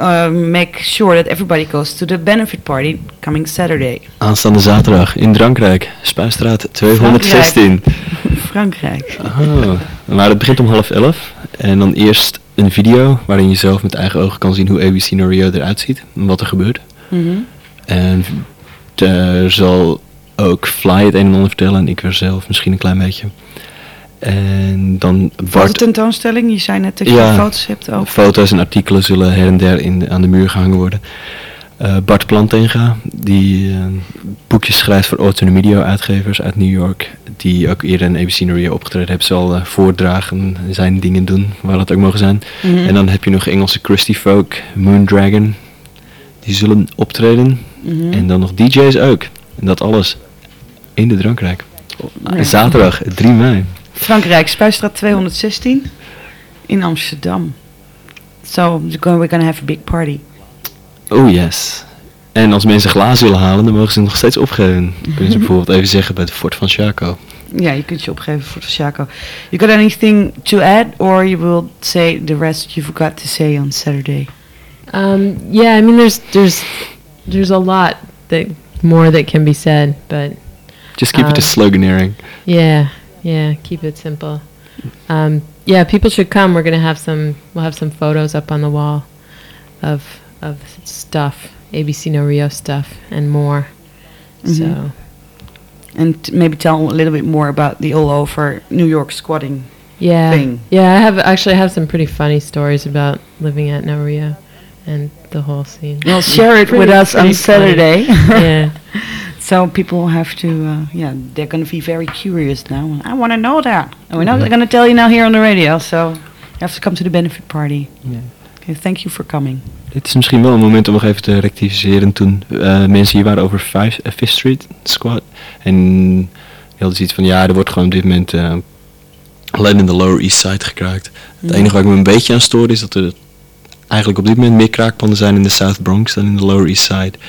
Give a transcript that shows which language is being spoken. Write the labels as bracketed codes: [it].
[en] Make sure that everybody goes to the benefit party coming Saturday. [nl] Aanstaande zaterdag in Drankrijk, Spuistraat 216. Frankrijk. Oh. Maar het begint om 10:30. En dan eerst een video waarin je zelf met eigen ogen kan zien hoe ABC Norio eruit ziet. En wat er gebeurt. Mm-hmm. En er zal ook Fly het een en ander vertellen. En ik weer zelf misschien een klein beetje. En dan Bart. Was het een tentoonstelling? Je zei net dat je foto's hebt over. Foto's en artikelen zullen her en der aan de muur gehangen worden. Bart Plantenga, die boekjes schrijft voor Autonomidio uitgevers uit New York, die ook eerder in ABC Norio opgetreden heeft, zal voordragen, zijn dingen doen, waar dat ook mogen zijn. Mm-hmm. En dan heb je nog Engelse Christy Folk, Moondragon, die zullen optreden. Mm-hmm. En dan nog DJ's ook. En dat alles in de Drankrijk. Nee. Zaterdag, 3 mei. Frankrijk, Spuistraat 216 in Amsterdam. [en] So we're going to have a big party. Oh yes. [nl] En als mensen glazen willen halen, dan mogen ze nog steeds opgeven. Kunnen ze bijvoorbeeld even zeggen bij de Fort van Chaco. Ja, je kunt je opgeven voor de Chaco. [en] You got anything to add, or you will say the rest you forgot to say on Saturday? Yeah, I mean there's a lot that more that can be said, but just keep it to sloganeering. Yeah. Yeah, keep it simple. Yeah, people should come. We're gonna have some photos up on the wall of stuff, ABC Norio stuff and more. Mm-hmm. So, and maybe tell a little bit more about the all over New York squatting thing. Yeah, I have some pretty funny stories about living at Norio and the whole scene. Well, share it with us on Saturday. Yeah. So people have to, they're going to be very curious now. I want to know that. And we're not going to tell you now here on the radio, so you have to come to the benefit party. Yeah. Okay, thank you for coming. [nl] Dit is misschien wel een moment om nog even te rectificeren. Toen mensen hier waren over Fifth Street Squad. En je had zoiets van, er wordt gewoon op dit moment alleen in de Lower East Side gekraakt. Het enige waar ik me een beetje aan stoor is dat er eigenlijk op dit moment meer kraakpanden zijn in de South Bronx dan in de Lower East Side.